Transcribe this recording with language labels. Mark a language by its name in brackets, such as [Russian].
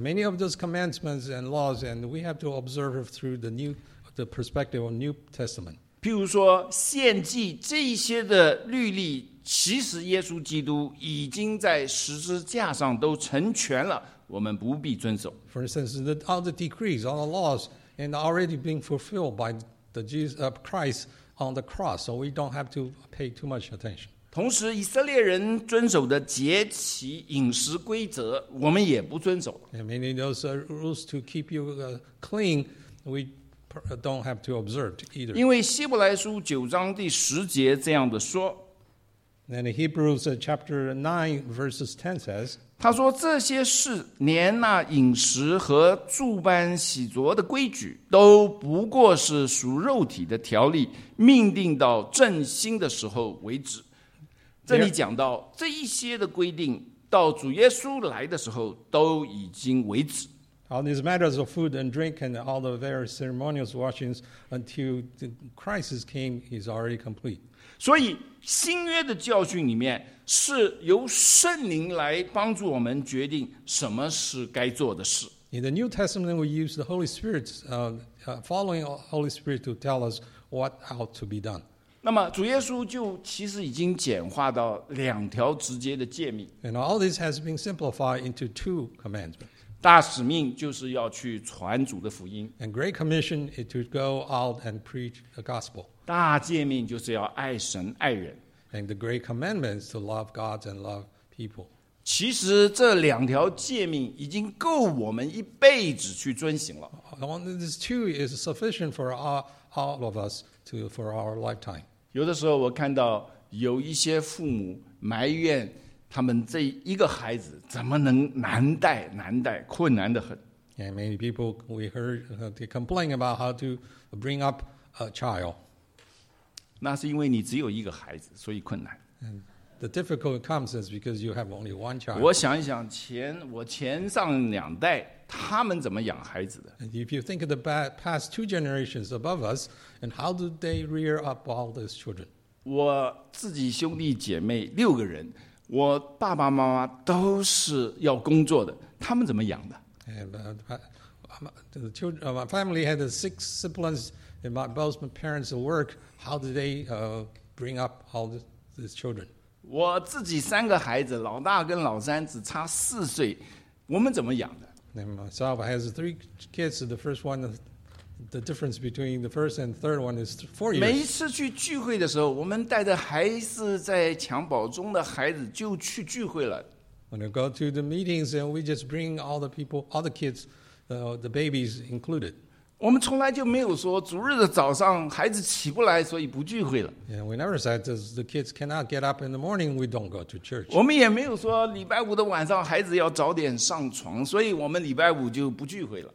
[English] Many of those commandments and laws, and we have to observe through the perspective of New Testament. [Chinese] 譬如说献祭这些的律例，其实耶稣基督已经在十字架上都成全了，我们不必遵守。 [English] For instance, all the decrees, all the laws, and already being fulfilled by the Jesus Christ. On the cross, so we don't have to pay too much attention. [Chinese] 同时，以色列人遵守的节期饮食规则，我们也不遵守。 [English] And many of those rules to keep you clean, we don't have to observe either. [Chinese] 因为希伯来书九章第十节这样的说： [English] And Hebrews chapter 9 verses 10 says, [Chinese] 他说这些事连那饮食和住班洗濯的规矩都不过是属肉体的条例，命定到正兴的时候为止。这里讲到这一些的规定到主耶稣来的时候都已经为止。 [English] All these matters of food and drink and all the various ceremonial washings until the crisis came is already complete. [Chinese] 所以新约的教训里面是由圣灵来帮助我们决定什么是该做的事。 [English] In the New Testament, we use the Holy Spirit, following Holy Spirit to tell us what ought to be done. [Chinese] 那么主耶稣就其实已经简化到两条直接的诫命。 [English] And all this has been simplified into two commandments. [Chinese] 大使命就是要去传主的福音。 [English] And great commission is to go out and preach the gospel. [Chinese] 大诫命就是要爱神爱人。 [English] And the great commandment is to love God and love people. [Chinese] 其实这两条诫命已经够我们一辈子去遵行了。 [English] These two is sufficient for all of us to, for our lifetime. [Chinese] 有的时候我看到有一些父母埋怨他们这一个孩子怎么能难带难带困难得很。 [English] Yeah, many people we heard they complain about how to bring up a child. [Chinese] 那是因为你只有一个孩子所以困难。 [English] And the difficulty comes is because you have only one child. [Chinese] 我想一想我前上两代他们怎么养孩子的。 [English] And if you think of the past two generations above us, and how do they rear up all those children? [Chinese] 我自己兄弟姐妹六个人我爸爸妈妈都是要工作的，他们怎么养的 [English] ？The children, my family had six siblings, and both my parents work. How did they bring up all these children? [Chinese] 我自己三个孩子，老大跟老三只差四岁，我们怎么养的 [English] ？And myself has three kids. The first one, the difference between the first and third one is 4 years. [Chinese] 每一次去聚会的时候，我们带着还是在襁褓中的孩子就去聚会了。 [English] When we go to the meetings, and we just bring all the people, all the kids, the babies included. [Chinese] 我们从来就没有说主日的早上孩子起不来，所以不聚会了。 [English] Yeah, we never said the kids cannot get up in the morning. We don't go to church. [Chinese] 我们也没有说礼拜五的晚上孩子要早点上床，所以我们礼拜五就不聚会了。